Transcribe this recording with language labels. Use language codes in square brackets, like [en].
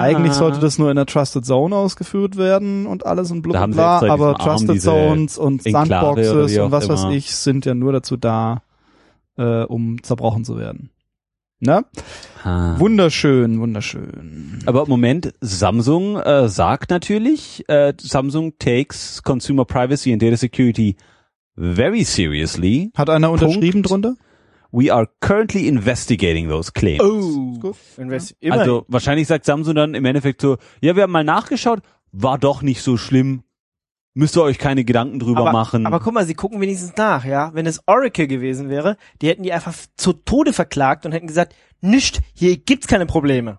[de] Eigentlich sollte das nur in der Trusted Zone ausgeführt werden und alles und blub, bla, aber Trusted Zones und Sandboxes und was weiß ich sind ja nur dazu da, um zerbrochen zu werden. Ne? Wunderschön, wunderschön. Aber Moment, Samsung sagt natürlich, [en] Samsung takes consumer privacy and data security very seriously. [de] Hat einer unterschrieben drunter? [en] We are currently investigating those claims. [de] Oh, gut. Also wahrscheinlich sagt Samsung dann im Endeffekt so, ja, wir haben mal nachgeschaut, war doch nicht so schlimm. Müsst ihr euch keine Gedanken drüber machen. Aber guck mal, sie gucken wenigstens nach, ja. Wenn es Oracle gewesen wäre, die hätten die einfach zu Tode verklagt und hätten gesagt, nischt, hier gibt's keine Probleme.